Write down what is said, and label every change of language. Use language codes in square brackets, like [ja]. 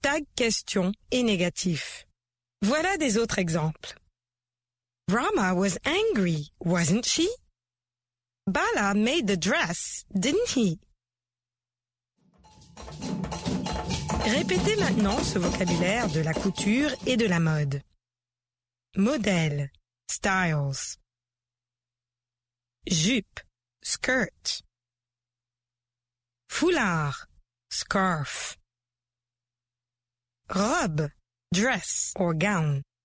[fr] hashtag question est négatif. Voilà des autres exemples. [en] Rama was angry, wasn't she? Bala made the dress, didn't he? [fr] Répétez maintenant ce vocabulaire de la couture et de la mode. Modèle, styles. Jupe, skirt. [en] Foulard, scarf. Robe, dress or gown.